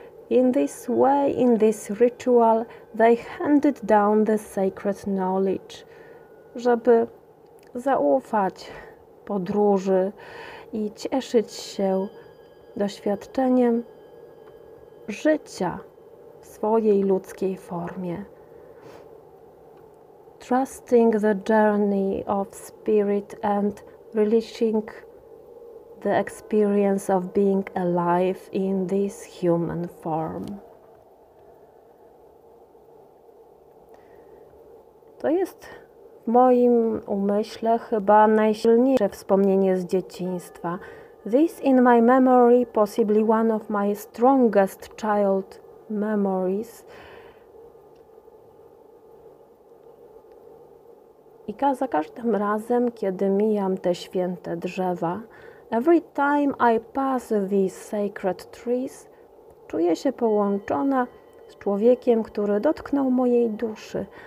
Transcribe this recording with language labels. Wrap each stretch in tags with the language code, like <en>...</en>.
<en>In this way, in this ritual, they handed down the sacred knowledge,</en> <pl>żeby zaufać podróży i cieszyć się doświadczeniem życia w swojej ludzkiej formie.</pl> <en>Trusting the journey of spirit and relishing the experience of being alive in this human form.</en> <pl>To jest w moim umyśle chyba najsilniejsze wspomnienie z dzieciństwa.</pl> <en>This in my memory, possibly one of my strongest child memories.</en> <pl>I za każdym razem, kiedy mijam te święte drzewa,</pl> <en>every time I pass these sacred trees,</en> <pl>czuję się połączona z człowiekiem, który dotknął mojej duszy.</pl>